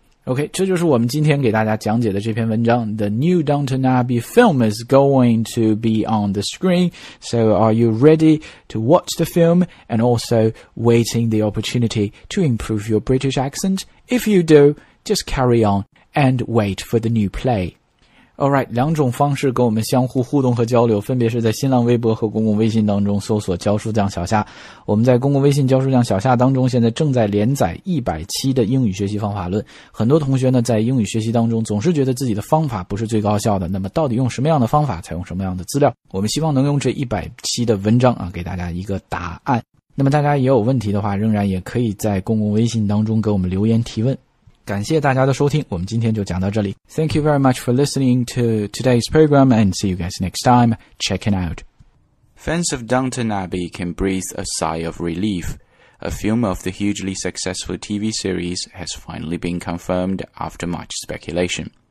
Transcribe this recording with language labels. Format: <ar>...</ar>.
<zh>OK， 这就是我们今天给大家讲解的这篇文章。</zh> <en>The new Downton Abbey film is going to be on the screen. So are you ready to watch the film and also waiting the opportunity to improve your British accent? If you do, just carry on and wait for the new play.</en> <zh>All right， 两种方式跟我们相互互动和交流，分别是在新浪微博和公共微信当中搜索教书匠小夏。我们在公共微信教书匠小夏当中现在正在连载100期的英语学习方法论。很多同学呢在英语学习当中总是觉得自己的方法不是最高效的，那么到底用什么样的方法，采用什么样的资料，我们希望能用这100期的文章啊给大家一个答案。那么大家也有问题的话，仍然也可以在公共微信当中给我们留言提问。感谢大家的收听，我们今天就讲到这里。</zh> <en>Thank you very much for listening to today's program and see you guys next time. Check it out. Fans of Downton Abbey can breathe a sigh of relief. A film of the hugely successful TV series has finally been confirmed after much speculation.</en>